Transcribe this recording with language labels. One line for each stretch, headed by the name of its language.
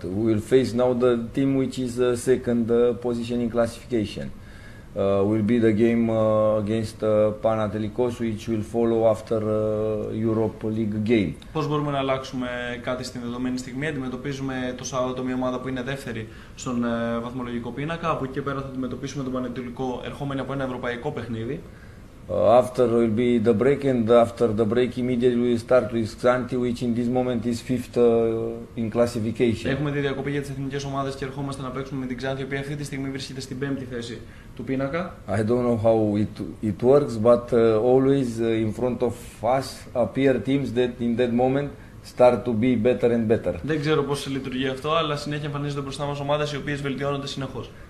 English: We'll face now the team which is second position in classification. Will be the game against Panathinaikos, which will follow after Europa League game.
Greek: Πώς μπορούμε να αλλάξουμε κάτι στην δεδομένη στιγμή? Αντιμετωπίζουμε το Σάββατο μια ομάδα που είναι δεύτερη στον βαθμολογικό πίνακα. Από εκεί πέρα θα αντιμετωπίσουμε τον Πανετολικό ερχόμενη από ένα ευρωπαϊκό παιχνίδι.
English: After will be the break, and after the break immediately we start with Xanthi, which in this moment is fifth in classification.
Greek: Έχουμε τη διακοπή για τις εθνικές ομάδες και ερχόμαστε να παίξουμε με την Xanthi, η οποία αυτή τη στιγμή βρίσκεται στην πέμπτη θέση του πίνακα.
English: I don't know how it works, but always in front of us appear teams that in that moment start to be better and better.
Greek: Δεν ξέρω πώς λειτουργεί αυτό, αλλά συνέχεια εμφανίζονται μπροστά μας ομάδες οι οποίες βελτιώνονται συνεχώς.